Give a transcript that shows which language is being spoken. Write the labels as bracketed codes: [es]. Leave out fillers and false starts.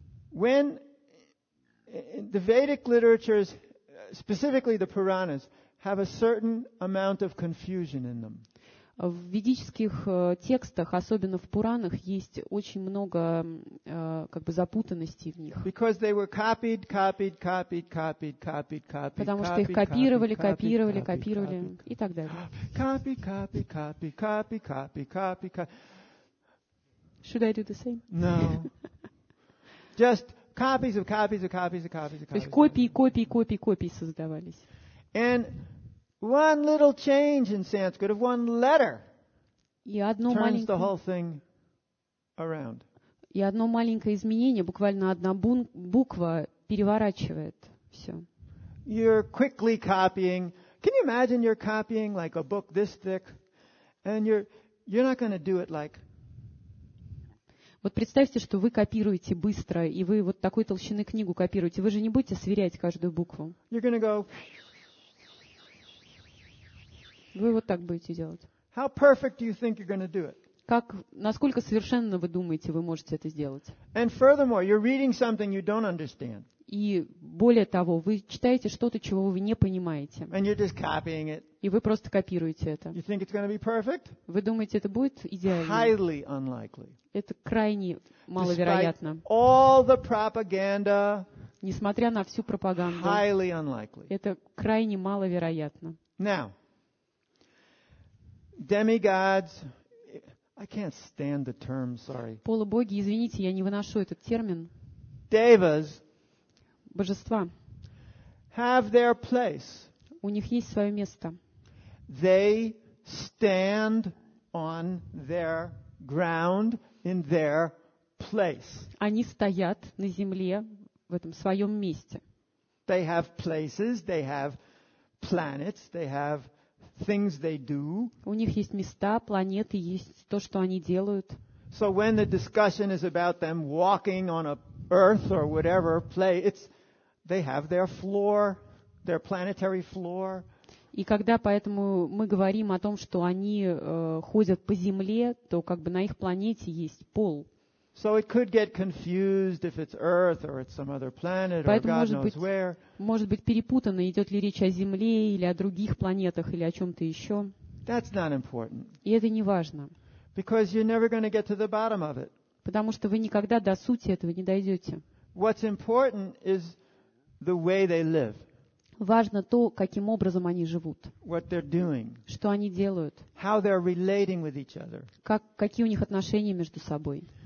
[en] When the Vedic literatures, specifically the Puranas, have a certain amount of confusion in them. [ru] В ведических текстах, особенно в Пуранах, есть очень много как бы запутанностей в них. [en] Because they were copied, copied, copied, copied, copied, copied. [ru] Потому что их копировали, копировали, копировали и так далее. [en] Copy, copy, copy, copy, copy, copy, copy. Should I do the same? No. Just copies of copies of copies of copies of copies. [ru] То есть копии, копии, копии, копии создавались. [en] And one little change in Sanskrit of one letter turns the whole thing around. [ru] И одно маленькое изменение, буквально одна буква переворачивает все. [en] You're quickly copying. Can you imagine you're copying like a book this thick, and you're not going to do it like. [ru] Вот представьте, что вы копируете быстро, и вы вот такой толщины книгу копируете. Вы же не будете сверять каждую букву. [en] You're going to go. [ru] Вы вот так будете делать. [en] How perfect do you think you're going to do it? [ru] Как, насколько совершенно вы думаете, вы можете это сделать? [en] And furthermore, you're reading something you don't understand. [ru] И более того, вы читаете что-то, чего вы не понимаете. [en] And you're just copying it. [ru] И вы просто копируете это. [en] You think it's going to be perfect? [ru] Вы думаете, это будет идеально? [en] Highly unlikely. [ru] Это крайне маловероятно. [en] Despite all the propaganda. [ru] Несмотря на всю пропаганду. [en] Highly unlikely. [ru] Это крайне маловероятно. [en] Now. Demigods. I can't stand the term, sorry. [ru] Полубоги, извините, я не выношу этот термин. [en] Devas. [ru] Божества. [en] Have their place. [ru] У них есть своё место. [en] They stand on their ground in their place. [ru] Они стоят на земле в этом своём месте. [en] They have places, they have planets, they have things they do. [ru] У них есть места, планеты, есть то, что они делают. [en] So when the discussion is about them walking on a earth or whatever play, it's they have their floor, their planetary floor. [ru] И когда поэтому мы говорим о том, что они ходят по земле, то как бы на их планете есть пол. [en] So it could get confused if it's Earth or it's some other planet or God knows where. [ru] Может быть перепутано, идет ли речь о Земле или о других планетах или о чем-то еще. [en] That's not important. [ru] И это не важно. [en] Because you're never going to get to the bottom of it. [ru] Потому что вы никогда до сути этого не дойдете. [en] What's important is the way they live. [ru] Важно то, каким образом они живут. [en] What they're doing. [ru] Что они делают. [en] How they're relating with each other. [ru] Какие у них отношения между собой.